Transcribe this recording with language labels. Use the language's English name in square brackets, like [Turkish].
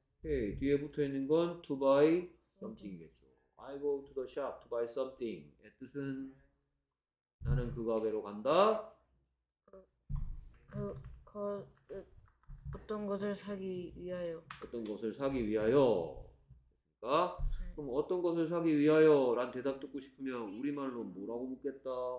[Korean] 오케이, 뒤에 붙어 있는 건 [English] to buy something [Korean] 이겠죠. [English] I go to the shop to buy something. [Korean] 의 뜻은 나는 그 가게로 간다. 어떤 것을 사기 위하여. 어떤 것을 사기 위하여. 그러니까 그럼 어떤 것을 사기 위하여 라는 대답 듣고 싶으면 우리말로 뭐라고 묻겠다.